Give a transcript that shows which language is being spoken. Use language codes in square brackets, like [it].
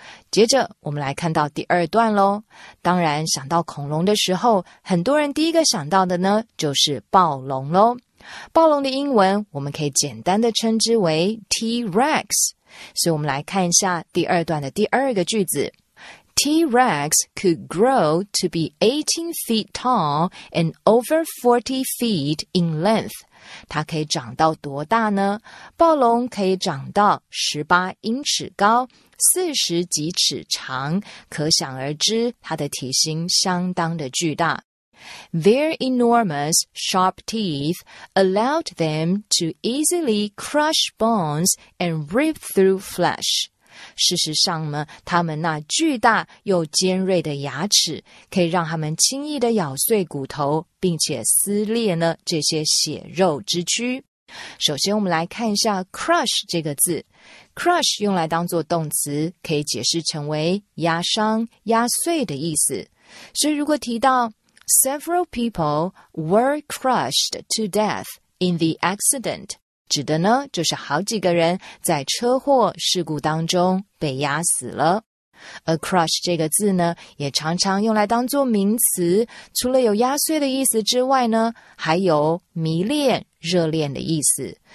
[zh] 接着我们来看到第二段咯。当然想到恐龙的时候，很多人第一个想到的呢就是暴龙咯。暴龙的英文我们可以简单的称之为 T-Rex。所以我们来看一下第二段的第二个句子。 [en] T-Rex could grow to be 18 feet tall and over 40 feet in length. [zh] 它可以长到多大呢？暴龙可以长到18英尺高，40几尺长，可想而知它的体型相当的巨大。 [en] Their enormous sharp teeth allowed them to easily crush bones and rip through flesh. [zh] 事实上呢，他们那巨大又尖锐的牙齿可以让他们轻易地咬碎骨头，并且撕裂呢这些血肉之躯。首先我们来看一下 crush 这个字。crush 用来当作动词，可以解释成为压伤、压碎的意思。所以如果提到 [en] Several people were crushed to death in the accident. [zh] 指的呢，就是好几个人在车祸事故当中被压死了。而 crush 这个字呢，也常常用来当作名词，除了有压碎的意思之外呢，还有迷恋、热恋的意思。